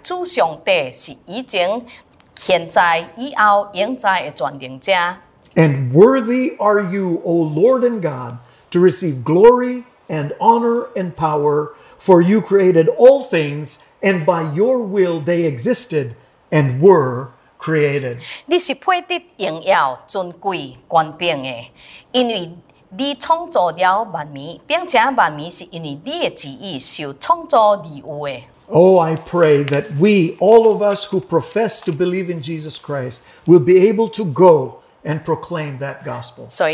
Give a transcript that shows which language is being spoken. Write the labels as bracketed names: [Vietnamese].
[Min Nan Chinese] 因为安尼，咱有法通三甲来讲，现在，主上帝是已经。 [English] And worthy are you, O Lord and God, to receive glory and honor and power, for you created all things, and by your will they existed and were created. [Min Nan Chinese] 你是配得荣耀尊贵冠冕的，因为你创造了万民，并且万民是因为你的旨意受创造而有的。 [English] Oh, I pray that we, all of us who profess to believe in Jesus Christ, will be able to go and proclaim that gospel.